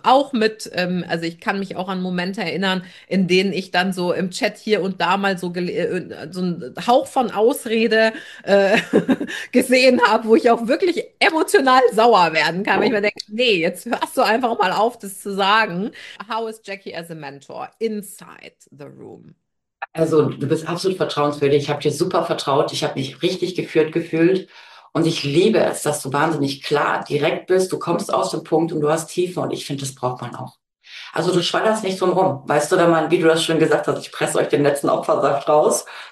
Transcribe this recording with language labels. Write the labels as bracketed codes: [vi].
[de] Auch mit, also ich kann mich auch an Momente erinnern, in denen ich dann so im Chat hier und da mal so einen Hauch von Ausrede gesehen habe, wo ich auch wirklich emotional sauer werden kann, wenn ich mir denke, nee, jetzt hörst du einfach mal auf, das zu sagen. [en] How is Jackie as a mentor inside the room? [de] Also, du bist absolut vertrauenswürdig. Ich habe dir super vertraut. Ich habe mich richtig geführt gefühlt. Und ich liebe es, dass du wahnsinnig klar, direkt bist. Du kommst aus dem Punkt und du hast Tiefe. Und ich finde, das braucht man auch. Also du schwallerst nicht drum rum. Weißt du, wenn man, wie du das schon gesagt hast, ich presse euch den letzten Opfersaft raus.